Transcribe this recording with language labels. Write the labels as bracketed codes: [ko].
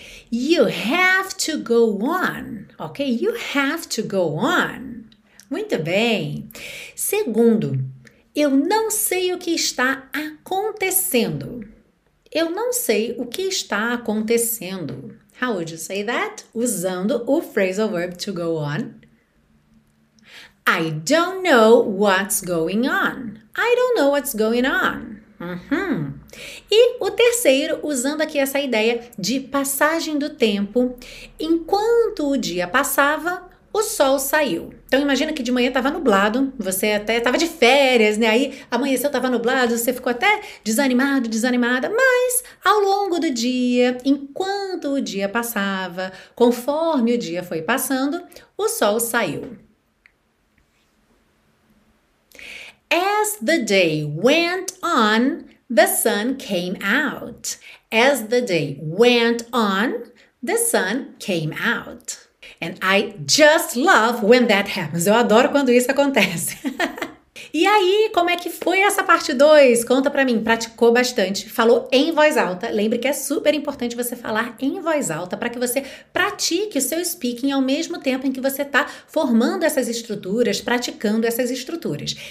[en] You have to go on, ok? You have to go on. [pt] Muito bem. Segundo, eu não sei o que está acontecendo. Eu não sei o que está acontecendo. [en] How would you say that? [pt] Usando o [en] phrasal verb to go on. I don't know what's going on. I don't know what's going on. Uhum. [pt] E o terceiro, usando aqui essa ideia de passagem do tempo, enquanto o dia passava, o sol saiu. Então imagina que de manhã estava nublado, você até estava de férias, né? Aí amanheceu, estava nublado, você ficou até desanimado, desanimada, mas ao longo do dia, enquanto o dia passava, conforme o dia foi passando, o sol saiu. [en] As the day went on, the sun came out. As the day went on, the sun came out. And I just love when that happens. [pt] Eu adoro quando isso acontece. E aí, como é que foi essa parte 2? Conta pra mim, praticou bastante, falou em voz alta. Lembre que é super importante você falar em voz alta para que você pratique o seu speaking ao mesmo tempo em que você tá formando essas estruturas, praticando essas estruturas.